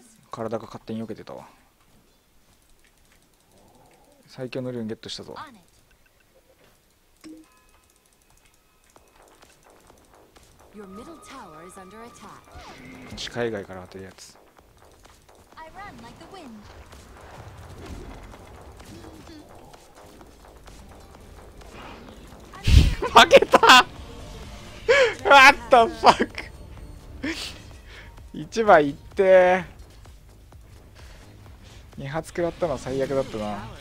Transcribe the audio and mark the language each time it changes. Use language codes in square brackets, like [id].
[ja] 体が勝手に避けてたわ。最強のルーンゲットしたぞ。 [en] Your middle tower is under attack. [ja] 視界外から当てるやつ。 [en] I run like the wind. [ja] 負けた。 [en] What the fuck。 [ja] 一番いって二発食らったのは最悪だったな。